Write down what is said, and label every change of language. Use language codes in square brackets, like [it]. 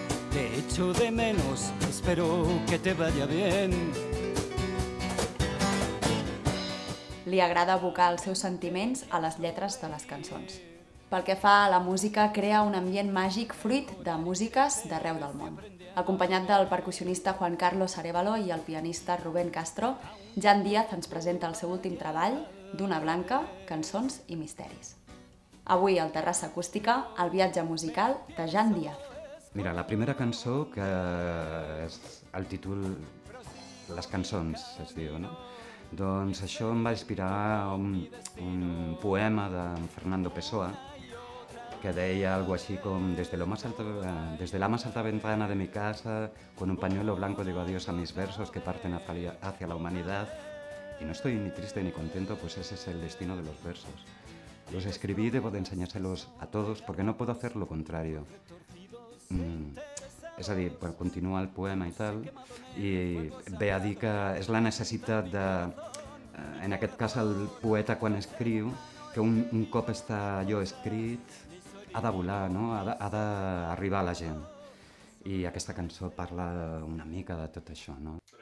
[es] Te echo de menos, espero que te vaya bien. [ca] Li agrada abocar els seus sentiments a les lletres de les cançons. Pel que fa a la música, crea un ambient màgic fruit de músiques d'arreu del món. Acompanyat del percussionista Juan Carlos Arevalo i el pianista Rubén Castro, Jan Díaz ens presenta el seu últim treball, Duna Blanca, cançons i misteris. Avui, al Terrassa Acústica, el viatge musical de Jan Díaz. Mira, la primera cançó, que és el títol Les cançons, es diu, no? Doncs això em va inspirar un poema de Fernando Pessoa que deia algo així com [es] desde la más alta ventana de mi casa con un pañuelo blanco digo adiós a mis versos que parten hacia la humanidad y no estoy ni triste ni contento, pues ese es el destino de los versos. Los escribí y debo de enseñárselos a todos porque no puedo hacer lo contrario. [ca] És a dir, per continuar el poema i tal, i ve a dir que és la necessitat de, en aquest cas el poeta quan escriu, que un cop està allò escrit, ha de volar, no? ha de arribar a la gent. I aquesta cançó parla una mica de tot això, no?